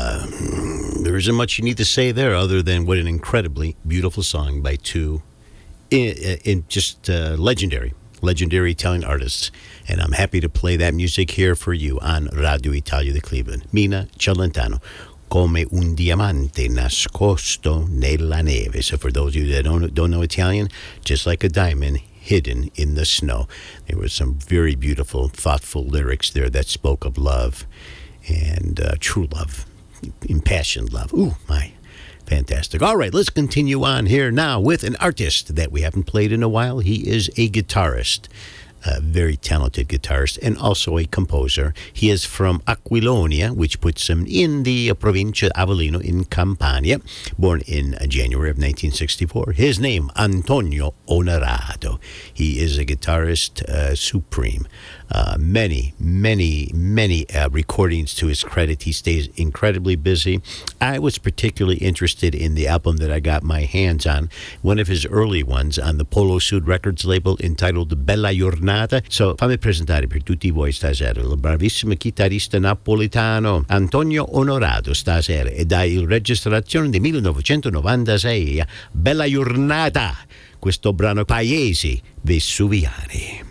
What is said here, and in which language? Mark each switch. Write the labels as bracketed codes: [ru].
[en] There isn't much you need to say there other than what an incredibly beautiful song by two legendary Italian artists. And I'm happy to play that music here for you on Radio Italia di Cleveland. Mina Celentano, Come un diamante nascosto nella neve. So for those of you that don't know Italian, just like a diamond hidden in the snow. There were some very beautiful, thoughtful lyrics there that spoke of love and true love. Impassioned love. Ooh, my. Fantastic. All right, let's continue on here now with an artist that we haven't played in a while. He is a guitarist, a very talented guitarist, and also a composer. He is from Aquilonia, which puts him in the provincia Avellino in Campania, born in January of 1964. His name, Antonio Onorato. He is a guitarist supreme. Many recordings to his credit. He stays incredibly busy. I was particularly interested in the album that I got my hands on, one of his early ones on the Polo Sud Records label entitled Bella Giornata. [it] So fammi presentare per tutti voi stasera il bravissimo chitarrista napoletano Antonio Onorato stasera e dai il registrazione di 1996 Bella Giornata, questo brano Paesi Vesuviani.